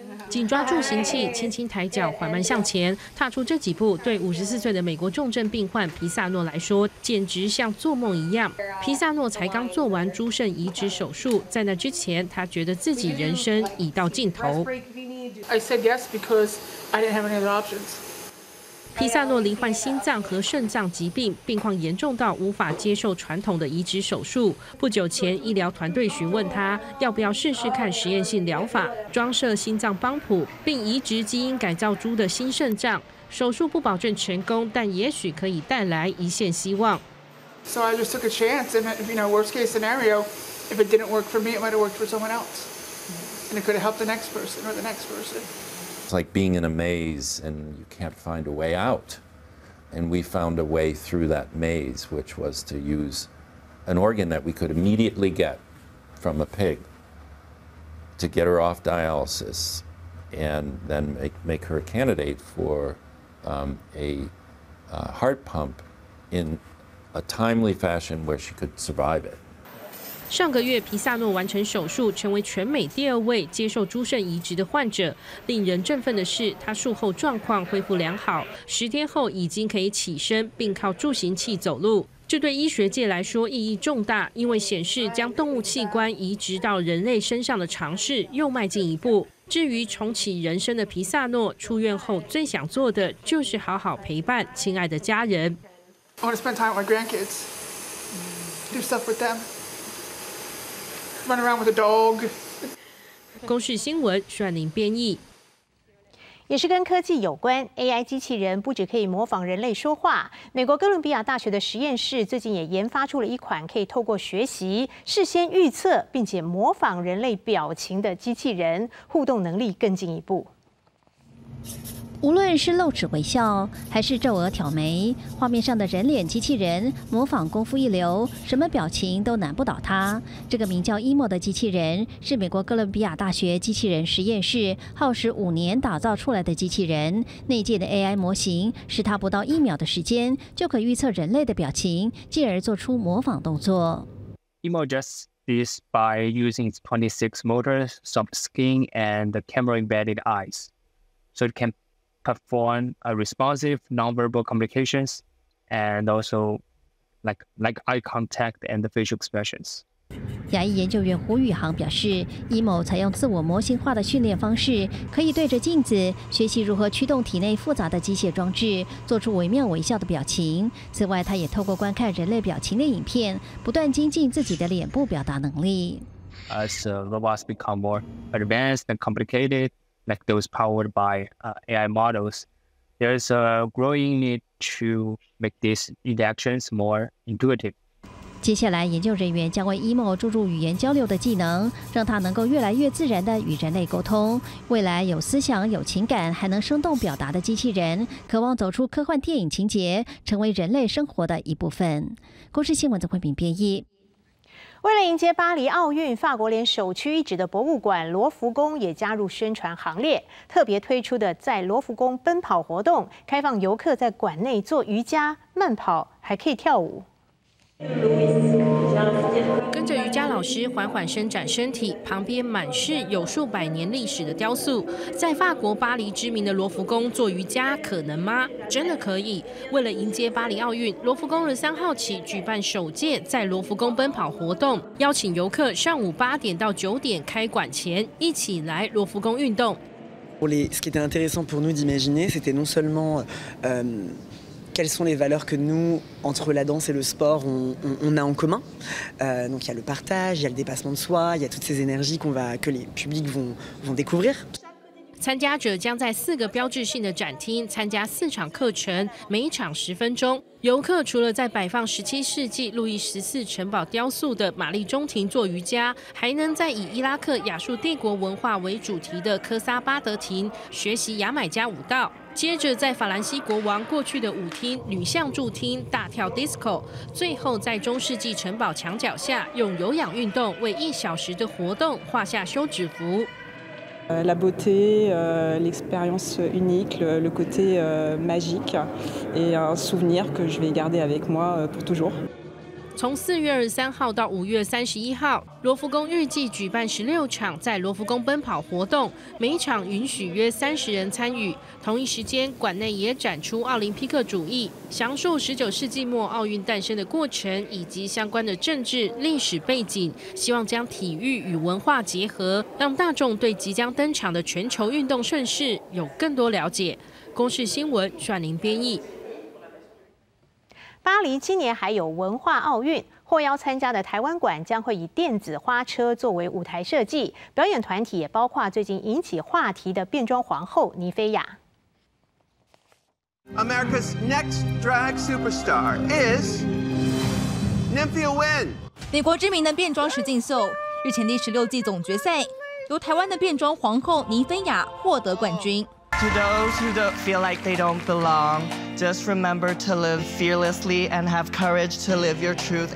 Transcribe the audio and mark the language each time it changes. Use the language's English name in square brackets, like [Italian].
[Chinese] 紧抓助行器，轻轻抬脚，缓慢向前踏出这几步，对54岁的美国重症病患皮萨诺来说，简直像做梦一样。皮萨诺才刚做完猪肾移植手术，在那之前，他觉得自己人生已到尽头。 [English] I said yes because I didn't have any other options. [Chinese] 皮萨诺罹患心脏和肾脏疾病，病况严重到无法接受传统的移植手术。不久前，医疗团队询问他要不要试试看实验性疗法，装设心脏帮浦，并移植基因改造猪的新肾脏。手术不保证成功，但也许可以带来一线希望。 [English] So I just took a chance, and you know, worst case scenario, if it didn't work for me, it might have worked for someone else. And it could help the next person. It's like being in a maze and you can't find a way out. And we found a way through that maze, which was to use an organ that we could immediately get from a pig to get her off dialysis and then make her a candidate for a heart pump in a timely fashion where she could survive it. [Chinese] 上个月，皮萨诺完成手术，成为全美第二位接受猪肾移植的患者。令人振奋的是，他术后状况恢复良好，十天后已经可以起身，并靠助行器走路。这对医学界来说意义重大，因为显示将动物器官移植到人类身上的尝试又迈进一步。至于重启人生的皮萨诺，出院后最想做的就是好好陪伴亲爱的家人。 [English] I want to spend time with my grandkids, do stuff with them. [Chinese] 公视新闻帅宁编译，也是跟科技有关。 AI 机器人不只可以模仿人类说话，美国哥伦比亚大学的实验室最近也研发出了一款可以透过学习、事先预测，并且模仿人类表情的机器人，互动能力更进一步。无论是露齿微笑还是皱额挑眉，画面上的人脸机器人模仿功夫一流，什么表情都难不倒它。这个名叫 Emo 的机器人是美国哥伦比亚大学机器人实验室耗时5年打造出来的机器人，内建的 AI 模型使它不到1秒的时间就可预测人类的表情，进而做出模仿动作。 [English] Emo just this by using 26 motors, soft skin and the camera embedded eyes, so it canperform a responsive nonverbal communications and also like eye contact and the facial expressions. [Chinese] 亚裔研究员胡宇航表示， Emo 采用自我模型化的训练方式，可以对着镜子学习如何驱动体内复杂的机械装置，做出惟妙惟肖的表情。此外，他也透过观看人类表情的影片，不断精进自己的脸部表达能力。 [English] As robots become more advanced and complicated,like those powered by AI models, there's a growing need to make these interactions more intuitive. [Chinese] 接下来，研究人员将为 Emo 注入语言交流的技能，让它能够越来越自然地与人类沟通。未来有思想、有情感、还能生动表达的机器人，渴望走出科幻电影情节，成为人类生活的一部分。公视新闻曾慧敏编译。为了迎接巴黎奥运，法国连首屈一指的博物馆罗浮宫也加入宣传行列，特别推出的在罗浮宫奔跑活动，开放游客在馆内做瑜伽、慢跑，还可以跳舞。跟着瑜伽老师缓缓伸展身体，旁边满是有数百年历史的雕塑。在法国巴黎知名的罗浮宫做瑜伽可能吗？真的可以。为了迎接巴黎奥运，罗浮宫3号起举办首届在罗浮宫奔跑活动，邀请游客上午8点到9点开馆前一起来罗浮宫运动。 [French] Ce qui était intéressant pour nous d'imaginer, c'était non seulement quelles sont les valeurs que nous, entre la danse et le sport, on a en commun. Donc il y a le partage, il y a le dépassement de soi, il y a toutes ces énergies que les publics vont découvrir. [Chinese] 参加者将在四个标志性的展厅参加四场课程，每一场十分钟。游客除了在摆放17世纪路易十四城堡雕塑的玛丽中庭做瑜伽，还能在以伊拉克亚述帝国文化为主题的科萨巴德庭学习牙买加舞蹈，接着在法兰西国王过去的舞厅女象柱厅大跳 disco， 最后在中世纪城堡墙脚下用有氧运动为一小时的活动画下休止符。 [French] La beauté, l'expérience unique, le côté magique et un souvenir que je vais garder avec moi pour toujours. [Chinese] 从4月23号到5月31号，罗浮宫预计举办16场在罗浮宫奔跑活动，每场允许约30人参与。同一时间，馆内也展出奥林匹克主义，详述19世纪末奥运诞生的过程以及相关的政治历史背景，希望将体育与文化结合，让大众对即将登场的全球运动盛事有更多了解。公视新闻转您编译。巴黎今年还有文化奥运，获邀参加的台湾馆将会以电子花车作为舞台设计，表演团体也包括最近引起话题的变装皇后妮菲亚。 [English] America's next drag superstar is Nymphia Wynn。 [Chinese] 美国知名的变装实境秀日前第16季总决赛，由台湾的变装皇后妮菲亚获得冠军。 [English] To those who don't feel like they don't belong, just remember to live fearlessly and have courage to live your truth.